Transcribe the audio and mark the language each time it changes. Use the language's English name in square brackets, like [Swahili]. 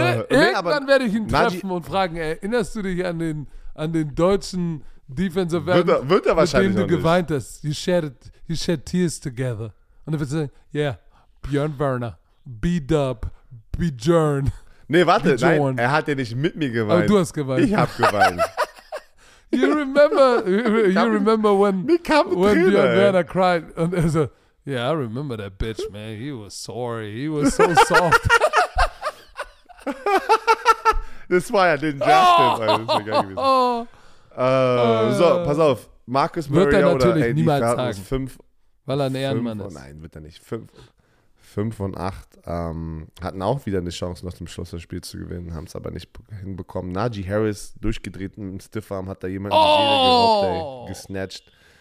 [German] Irgendwann werde ich ihn treffen und fragen, erinnerst du dich an den deutzen Defensive End, wird er wahrscheinlich mit dem du geweint hast? [English] You shed tears together. [German] Und dann wird er sagen, yeah, Björn Werner, B-Dub, B-Jern. Nee, warte, nein, er hat ja nicht mit mir geweint. Aber du hast geweint. Ich hab geweint. [English] You remember when Björn Werner cried and he said, yeah, I remember that bitch, man. He was sorry. He was so soft. That's why I didn't draft him. [German] So, pass auf. Marcus Murray wird er oder natürlich niemals sagen, fünf, weil er ein Ehrenmann ist. Nein, wird er nicht. 5 und 8 hatten auch wieder eine Chance, noch zum Schluss das Spiel zu gewinnen, haben es aber nicht hinbekommen. Najee Harris, durchgedreht im Stiffarm, hat da jemanden gesnatcht.